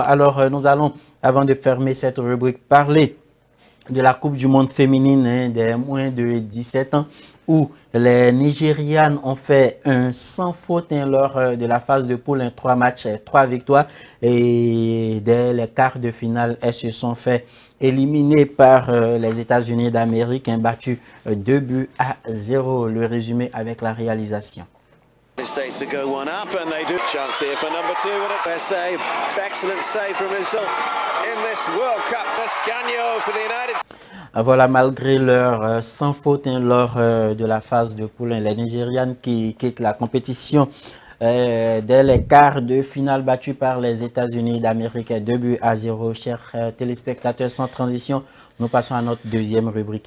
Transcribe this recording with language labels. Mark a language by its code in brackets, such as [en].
[fr] Alors, nous allons, avant de fermer cette rubrique, parler de la Coupe du monde féminine des moins de 17 ans, où les Nigérianes ont fait un sans faute lors de la phase de poule, trois matchs, trois victoires. Et dès les quarts de finale, elles se sont fait éliminer par les États-Unis d'Amérique, battues 2-0. Le résumé avec la réalisation. [en] States to go one up, and they do chance here for number two with a fair save. Excellent save from himself in this World Cup. Toscano for the United States. [fr] Voilà, malgré leur sans faute lors de la phase de poule, les Nigérianes qui quittent la compétition dès les quarts de finale battus par les États-Unis d'Amérique, 2-0. Chers téléspectateurs, sans transition, nous passons à notre deuxième rubrique.